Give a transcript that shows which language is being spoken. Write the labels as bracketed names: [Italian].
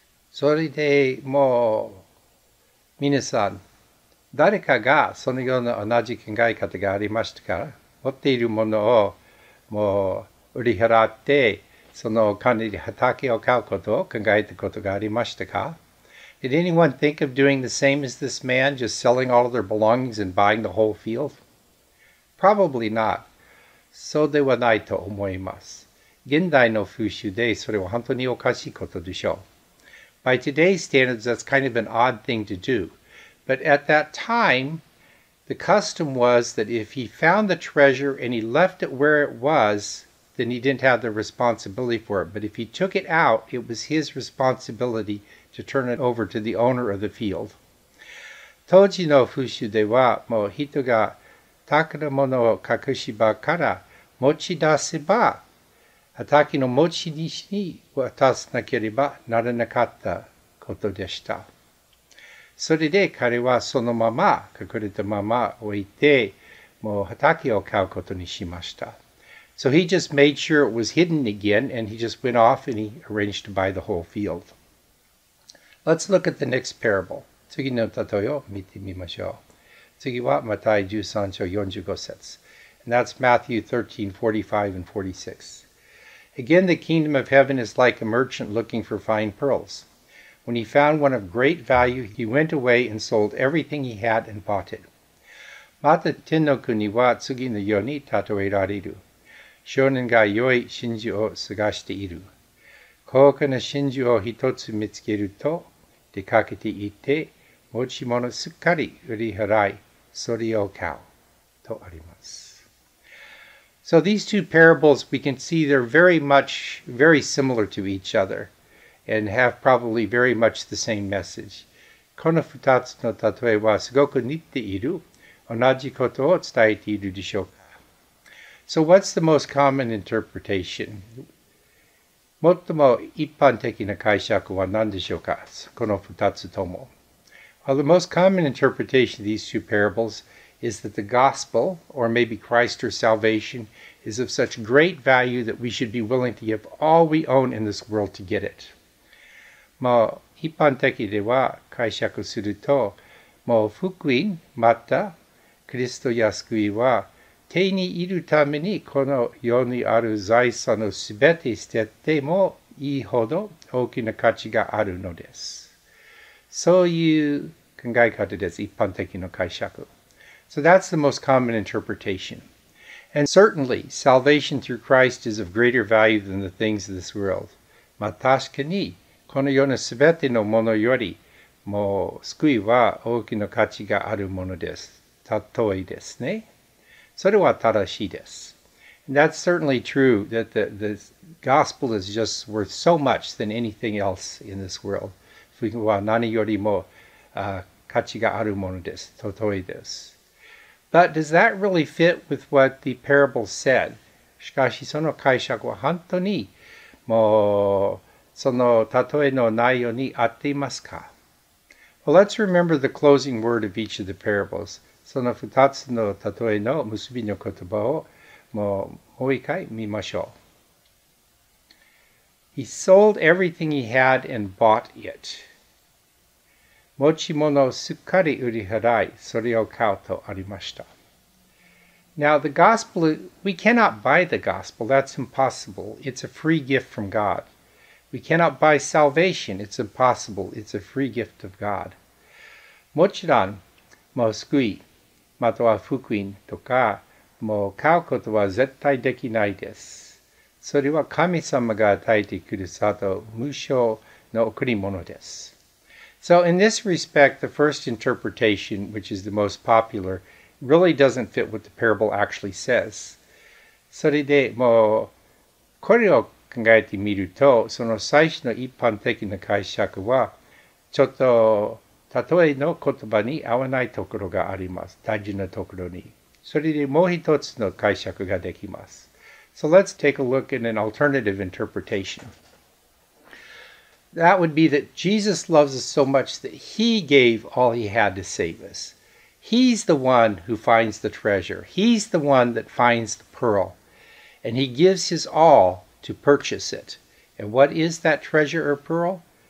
[Japanese] それでもう、皆さん、誰かがそのような同じ考え方がありましたか? 持っているものをもう売り払って、そのお金で畑を買うことを考えたことがありましたか? [English] Did anyone think of doing the same as this man, just selling all of their belongings and buying the whole field? Probably not. [Japanese] そうではないと思います。現代の風習でそれは本当におかしいことでしょう。 [English] By today's standards, that's kind of an odd thing to do. But at that time, the custom was that if he found the treasure and he left it where it was, then he didn't have the responsibility for it. But if he took it out, it was his responsibility to turn it over to the owner of the field. [Japanese] 当時の風習では、もう人が宝物を隠し場から持ち出せば、畑の持ち主に渡さなければならなかったことでした。それで彼はそのまま隠れたまま置いて、もう畑を買うことにしました。 [English] So he just made sure it was hidden again, and he just went off and he arranged to buy the whole field. Let's look at the next parable. [Japanese] 次の例を見てみましょう。次はマタイ13章45節。 [English] And that's Matthew 13, 45 and 46. Again, the kingdom of heaven is like a merchant looking for fine pearls. When he found one of great value, he went away and sold everything he had and bought it. [Japanese] また天の国は次のように例えられる。少年が良い真珠を探している。高価な真珠を一つ見つけると、出かけて行って、持ち物すっかり売り払い、それを買う。とあります。 [English] So these two parables, we can see they're very much, very similar to each other, and have probably very much the same message. [Japanese] この二つの例えはすごく似ている。同じことを伝えているでしょうか。 [English] So what's the most common interpretation? [Japanese] 最も一般的な解釈は何でしょうか、この二つとも。 [English] Well, the most common interpretation of these two parables is that the gospel, or maybe Christ or salvation, is of such great value that we should be willing to give all we own in this world to get it. [Japanese] まあ、一般的では解釈すると、もう福音、また、キリストや救いは、手にいるためにこの世にある財産をすべて捨ててもいいほど大きな価値があるのです。 [English] So you can guide how to this [Japanese] 一般的な解釈。 [English] So that's the most common interpretation. And certainly, salvation through Christ is of greater value than the things of this world. [Japanese] まあ確かに、この世のすべてのものより、もう救いは大きな価値があるものです。例えですね。それは正しいです。 [English] And that's certainly true that the gospel is just worth so much than anything else in this world. [Japanese] 福音は何よりも価値があるものです。例えです。 [English] But does that really fit with what the parable said? [Japanese] しかしその解釈は本当にもうその例えの内容に合っていますか? [English] Well, let's remember the closing word of each of the parables. [Japanese] その2つの例えの結びの言葉をもう一回見ましょう。 [English] He sold everything he had and bought it. [Japanese] 持ち物をすっかり売り払い、それを買うとありました。 [English] Now, the gospel, we cannot buy the gospel. That's impossible. It's a free gift from God. We cannot buy salvation. It's impossible. It's a free gift of God. [Japanese] もちろん、もう救い、または福音とか、もう買うことは絶対できないです。それは神様が与えてくださった無償の贈り物です。 So in this respect, the first interpretation, which is the most popular, really doesn't fit what the parable actually says. それでもうこれを考えてみると、その最初の一般的な解釈はちょっと例えの言葉に合わないところがあります。大事なところに。それでもう一つの解釈ができます。 [English] So let's take a look at an alternative interpretation. That would be that Jesus loves us so much that he gave all he had to save us. He's the one who finds the treasure. He's the one that finds the pearl. And he gives his all to purchase it. And what is that treasure or pearl?